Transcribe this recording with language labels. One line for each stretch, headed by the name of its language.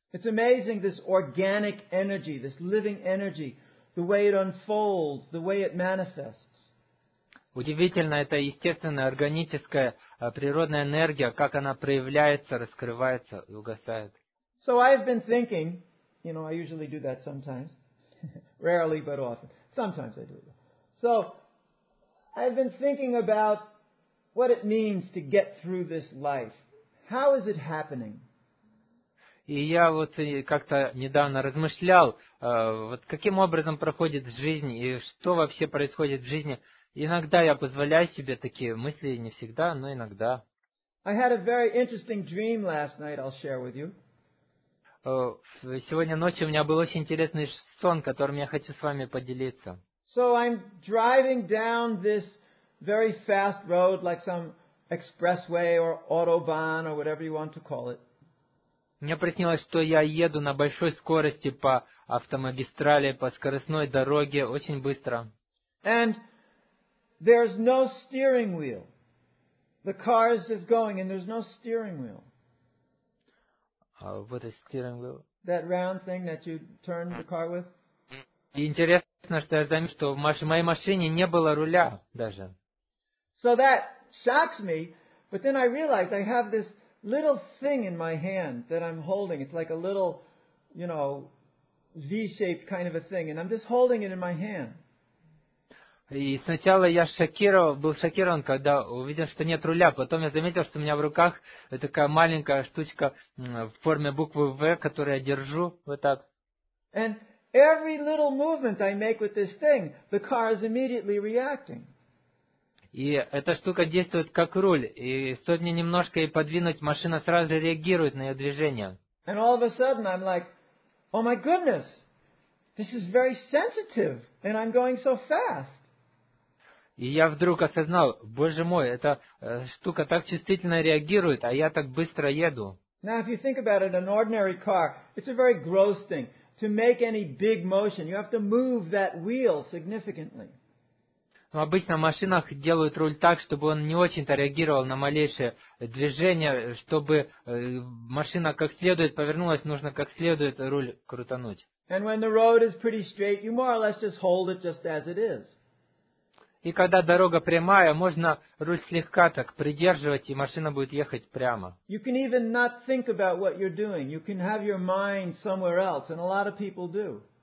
English: It's amazing this organic energy, this living energy, the way it unfolds, the way it manifests.
Russian: Удивительно, это естественная, органическая, природная энергия, как она проявляется, раскрывается и угасает.
English: So I've been thinking, you know, I usually do that sometimes, rarely, but often. Sometimes I do it. So I've been thinking about what it means to get through this life. How is it happening?
Russian: И я вот как-то недавно размышлял, вот каким образом проходит жизнь и что вообще происходит в жизни. Иногда я позволяю себе такие мысли, не всегда, но иногда.
English: I had a very interesting dream last night, I'll share with you.
Russian: Сегодня ночью у меня был очень интересный сон, которым я хочу с вами поделиться.
English: So I'm driving down this very fast road, like some expressway or autobahn or whatever you want to call it.
Russian: Мне приснилось, что я еду на большой скорости по автомагистрали, по скоростной дороге, очень быстро.
English: And there's no steering wheel. The car is just going, and there's no steering wheel. What is steering wheel? That round thing that you turn the car with.
Russian: Интересно, что я заметил, что в моей машине не было руля даже.
English: So that shocks me, but then I realize I have this little thing in my hand that I'm holding. It's like a little, you know, V-shaped kind of a thing, and I'm just holding it in my hand.
Russian: И сначала я был шокирован, когда увидел, что нет руля. Потом я заметил, что у меня в руках такая маленькая штучка в форме буквы V, которую я держу вот так.
English: And every little movement I make with this thing, the car is immediately reacting.
Russian: И эта штука действует как руль. И стоит мне немножко и подвинуть, машина сразу же реагирует на ее движение.
English: And all of a sudden I'm like, oh my goodness, this is very sensitive, and I'm going so fast.
Russian: И я вдруг осознал, Боже мой, эта штука так чувствительно реагирует, а я так быстро еду.
English: Now, if you think about it, an ordinary car, it's a very gross thing. To make any big motion, you have to move that wheel significantly.
Russian: Но обычно в машинах делают руль так, чтобы он не очень-то реагировал на малейшее движение, чтобы машина как следует повернулась, нужно как следует руль крутануть.
English: And when the road is pretty straight, you more or less just hold it just as it is.
Russian: И когда дорога прямая, можно руль слегка так придерживать, и машина будет ехать прямо.
English: You can even not think about what you're doing. You can have your mind somewhere else, and a lot of people do.